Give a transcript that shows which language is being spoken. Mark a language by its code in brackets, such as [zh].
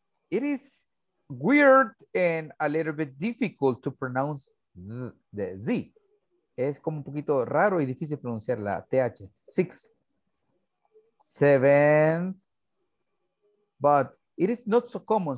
[en] It is weird and a little bit difficult to pronounce the Z. [es] Es como un poquito raro y difícil pronunciar la TH. [en] Sixth, seventh, but it is not so common.